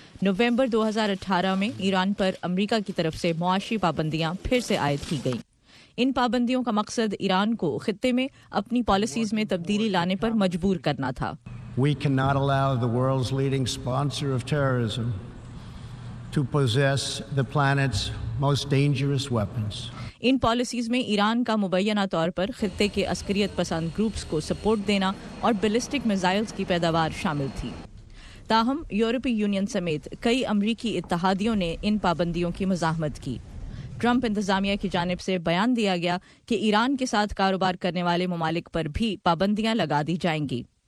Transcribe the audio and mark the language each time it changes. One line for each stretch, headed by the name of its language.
Urdu: November 2018 میں ایران پر امریکہ کی طرف سے معاشی پابندیاں پھر سے عائد کی گئیں۔ ان پابندیوں کا مقصد ایران کو خطے میں اپنی پالیسیز میں تبدیلی لانے پر مجبور کرنا تھا۔
English: We cannot allow the world's leading sponsor of terrorism to possess the planet's most dangerous weapons.
Urdu: In policies میں ایران کا مبینہ طور پر خطے کے عسکریت پسند گروپس کو سپورٹ دینا اور بیلسٹک میزائلز کی پیداوار شامل تھی۔ تاہم یورپی یونین سمیت کئی امریکی اتحادیوں نے ان پابندیوں کی مزاحمت کی۔ ٹرمپ انتظامیہ کی جانب سے بیان دیا گیا کہ ایران کے ساتھ کاروبار کرنے والے ممالک پر بھی پابندیاں لگا دی جائیں گی۔